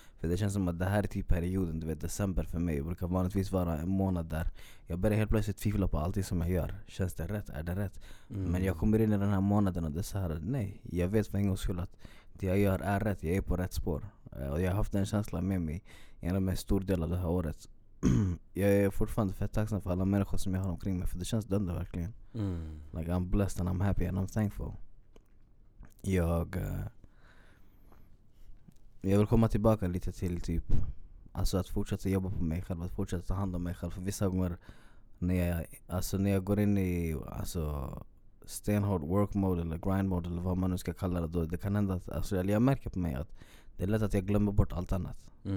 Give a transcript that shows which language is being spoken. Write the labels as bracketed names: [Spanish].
[Swedish] För det känns som att det här är typ perioden, du vet, december för mig. Det brukar vanligtvis vara en månad där jag börjar helt plötsligt tvivla på allting som jag gör. Känns det rätt? Är det rätt? Men jag kommer in i den här månaden och det är så här, nej, jag vet för en gång skulle att det jag gör är rätt. Jag är på rätt spår. Och jag har haft den känslan med mig genom en stor del av det här året. Jag är fortfarande fett tacksam för alla människor som jag har omkring mig, för det känns dönda verkligen. [English] Like I'm blessed and I'm happy and I'm thankful. [Swedish] Jag vill komma tillbaka lite till typ, alltså att fortsätta jobba på mig själv, att fortsätta ta hand om mig själv. För vissa gånger när jag går in i alltså stenhård work mode eller grind mode eller vad man nu ska kalla det då, det kan hända att, alltså jag märker på mig att det är lätt att jag glömmer bort allt annat.